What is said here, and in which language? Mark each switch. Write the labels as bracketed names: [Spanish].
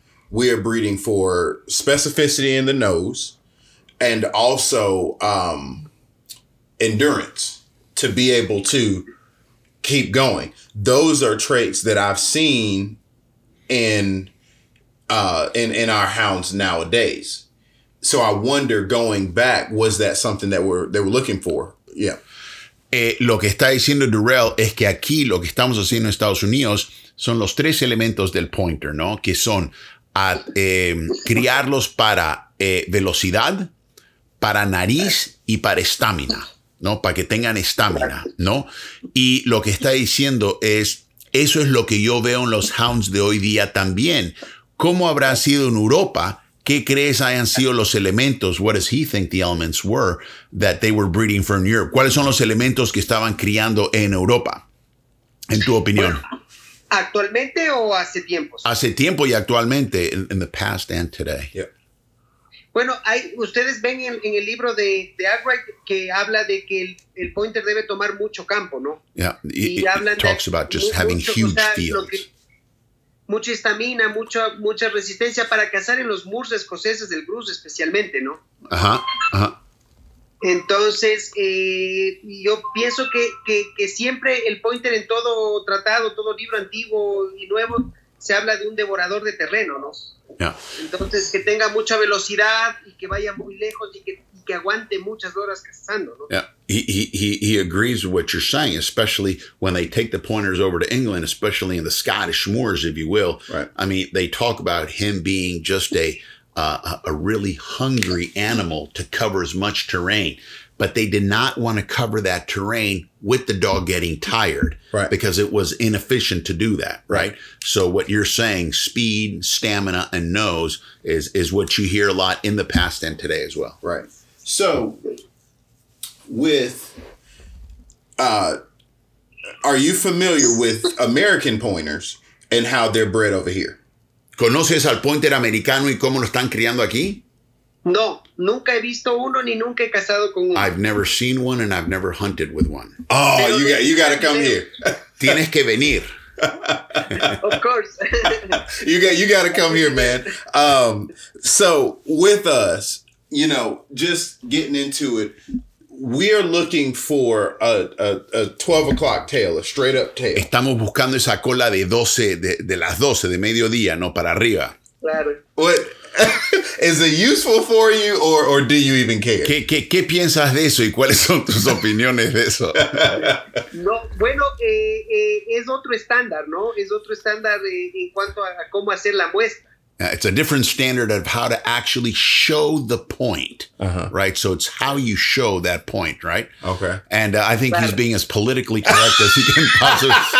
[English] We're breeding for specificity in the nose and also endurance to be able to keep going. Those are traits that I've seen in our hounds nowadays. So I wonder, going back, was that something that they were looking for? Yeah. [Spanish] Lo que está diciendo Durrell es que aquí lo que estamos haciendo en Estados Unidos son los tres elementos del pointer, ¿no? Que son criarlos para velocidad, para nariz y para estamina, ¿no? Para que tengan estamina, ¿no? Y lo que está diciendo es, eso es lo que yo veo en los hounds de hoy día también. ¿Cómo habrá sido en Europa? ¿Qué crees hayan sido los elementos? [English] What does he think the elements were that they were breeding for in Europe? [Spanish] ¿Cuáles son los elementos que estaban criando en Europa? En tu opinión. Bueno, ¿actualmente o hace tiempo? Hace tiempo y actualmente. [English] In the past and today. Yeah. [Spanish] Bueno, ustedes ven en el libro de Agright que habla de que el pointer debe tomar mucho campo, ¿no? [English] Yeah. It talks about just having huge fields. [Spanish] Mucha estamina, mucha resistencia para cazar en los muros escoceses del Bruce especialmente, ¿no? Ajá, ajá. Entonces, yo pienso que siempre el pointer en todo tratado, todo libro antiguo y nuevo, se habla de un devorador de terreno, ¿no? [English] Yeah. [Spanish] Entonces, que tenga mucha velocidad y que vaya muy lejos y que aguante muchas horas cazando, ¿no? [English] Yeah. He agrees with what you're saying, especially when they take the pointers over to England, especially in the Scottish moors, if you will. Right. I mean, they talk about him being just a really hungry animal to cover as much terrain, but they did not want to cover that terrain with the dog getting tired, right? Because it was inefficient to do that, right? So what you're saying, speed, stamina, and nose is what you hear a lot in the past and today as well. Right. So with, are you familiar with American pointers and how they're bred over here? [Spanish] ¿Conoces al pointer americano y cómo lo están criando aquí? No, nunca he visto uno ni nunca he cazado con uno. [English] I've never seen one and I've never hunted with one. Oh, you got to come here. [Spanish] Tienes que venir. [English] Of course. you got to come here, man. So with us, you know, just getting into it, we are looking for a 12 o'clock tail, a straight up tail. [Spanish] Estamos buscando esa cola de 12, de las 12, de mediodía, no para arriba. Claro. [English] What? Is it useful for you or do you even care? [Spanish] ¿Qué piensas de eso y cuáles son tus opiniones de eso? No, bueno, es otro estándar, ¿no? Es otro estándar en cuanto a cómo hacer la muestra. [English] It's a different standard of how to actually show the point, uh-huh. Right? So it's how you show that point, right? Okay. And I think he's being as politically correct as he can possibly.